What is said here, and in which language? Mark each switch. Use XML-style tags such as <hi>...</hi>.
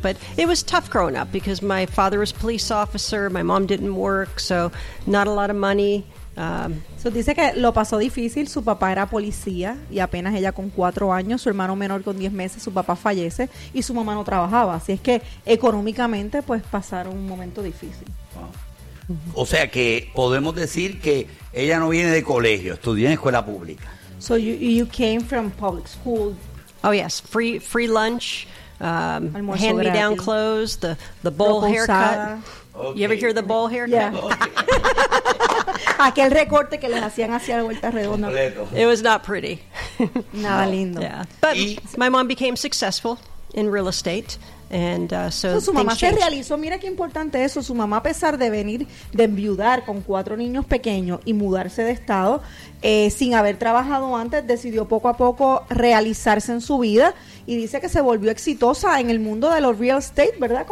<en>But it was tough growing up because my father was a police officer, my mom didn't work, so not a lot of money.</en> <es>So dice que lo pasó difícil. Su papá era policía y apenas ella con 4 años, su hermano menor con 10 meses, su papá fallece y su mamá no trabajaba. Así es que económicamente, pues pasaron un momento difícil. O sea que podemos decir que ella no viene de colegio, estudió en escuela pública.</es> <en>So you came from public school. Oh yes, free lunch, hand-me-down clothes, the bowl haircut. Okay. You ever hear the bowl haircut? Yeah.</en> <es>Aquel recorte que les hacían hacia la vuelta redonda.</es> <en>It was not pretty.</en> <es>Nada lindo.</es> <en>Yeah. But my mom became successful in real estate. And so</en> <es>su mamá se realizó. Mira qué importante eso. Su mamá, a pesar de venir de enviudar con 4 niños pequeños y mudarse de estado, sin haber trabajado antes, decidió poco a poco realizarse en su vida y dice que se volvió exitosa en el mundo de los real estate, ¿verdad?</es>